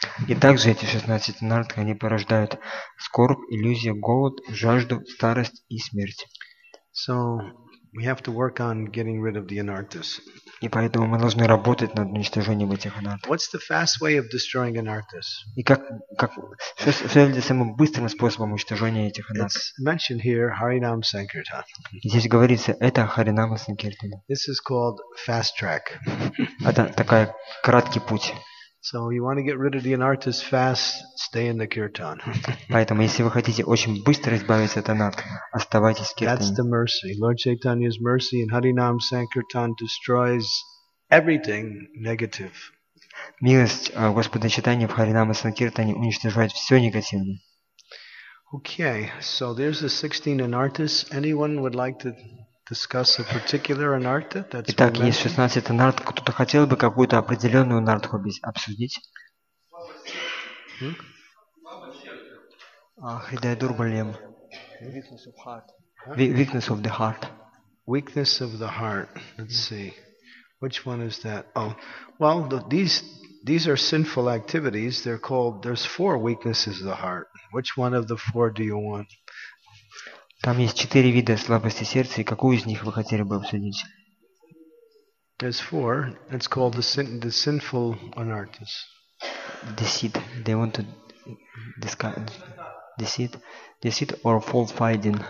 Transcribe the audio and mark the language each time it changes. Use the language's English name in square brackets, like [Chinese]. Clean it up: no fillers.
[Russian] И также эти 16 анарт, они порождают скорбь, иллюзия, голод, жажду, старость и смерть. [English] So we have to work on getting rid of the anartas. [Russian] И поэтому мы должны работать над уничтожением этих анарт. [English] What's the fast way of destroying anartas? [Russian] И как что является самым быстрым способом уничтожения этих анарт? [English] It's mentioned here, Харинам Санкиртан. [Russian] Здесь говорится, это Харинама Санкиртана. [English] This is called fast track. [Russian] Это такой краткий путь. [English] So you want to get rid of the anartas fast, stay in the kirtan. [Russian] Поэтому, если вы хотите очень быстро избавиться от анарт, оставайтесь в киртане. [English] That's the mercy. Lord Chaitanya's mercy in Harinam Sankirtan destroys everything negative. [Russian] Милость Господа Чайтаньи в Харинама Санкиртане уничтожает все негативное. [English] Okay, so there's the 16 anartas. Anyone would like to discuss a particular anartha? That's [Russian] Итак, есть 16 анарт. Кто-то хотел бы какую-то определенную анартху обсудить? [Sanskrit] Хридай дурбалем. [English] Weakness of heart. Weakness of the heart. Weakness of the heart. Let's see. Which one is that? Oh, well, these are sinful activities. They're called, there's four weaknesses of the heart. Which one of the four do you want? [Russian] Там есть четыре вида слабости сердца, и какую из них вы хотели бы обсудить? [English] There's four. It's called the sinful anartas. Deceit. They want to discuss deceit. Deceit or fault finding.